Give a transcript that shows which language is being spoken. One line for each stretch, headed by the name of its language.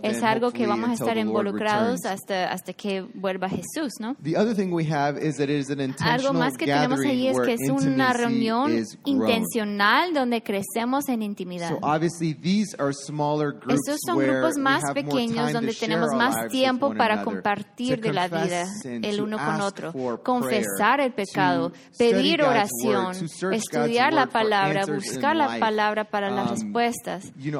Spanish: Es algo que vamos a estar involucrados hasta que vuelva Jesús, ¿no?
English: The other thing we have is that it is an intentional
Spanish: algo más que tenemos ahí es que es una reunión intencional donde crecemos en intimidad.
English: So obviously these are smaller groups
Spanish: estos son grupos más pequeños donde tenemos más tiempo para compartir de la vida. El uno con otro, confesar el pecado, pedir oración, estudiar la palabra, buscar la palabra para las respuestas.